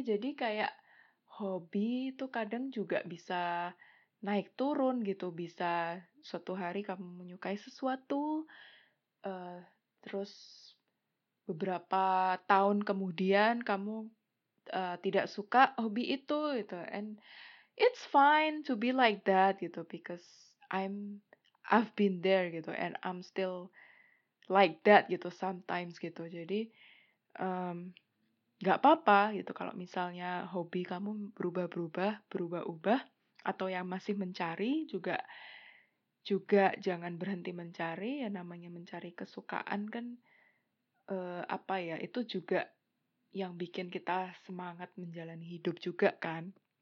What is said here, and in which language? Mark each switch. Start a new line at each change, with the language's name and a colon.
Indonesian: Jadi kayak hobi tuh kadang juga bisa naik turun gitu. Bisa suatu hari kamu menyukai sesuatu, terus beberapa tahun kemudian kamu tidak suka hobi itu gitu.
English: And it's fine to be like that gitu, because I've been there gitu, and I'm still like that gitu sometimes gitu.
Indonesian: Jadi nggak apa-apa gitu kalau misalnya hobi kamu berubah-ubah, atau yang masih mencari juga jangan berhenti mencari ya, namanya mencari kesukaan kan. Apa ya, itu juga yang bikin kita semangat menjalani hidup juga kan.